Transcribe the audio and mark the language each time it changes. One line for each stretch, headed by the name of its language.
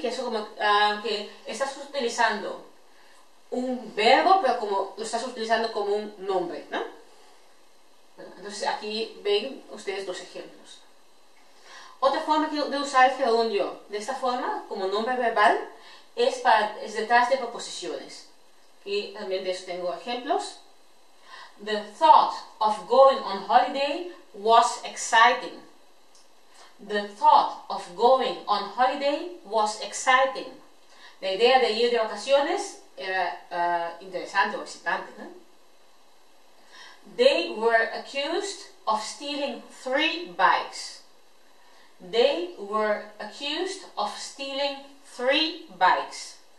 Spanish: Que eso como que estás utilizando un verbo, pero como lo estás utilizando como un nombre, ¿no? Entonces aquí ven ustedes dos ejemplos. Otra forma de usar el gerundio de esta forma, como nombre verbal, es detrás de proposiciones. Y también de eso tengo ejemplos.
English: The thought of going on holiday was exciting. The thought of going on holiday was exciting.
Spanish: La idea de ir de vacaciones era interesante o excitante, ¿no?
English: They were accused of stealing 3 bikes. They were accused of stealing 3 bikes.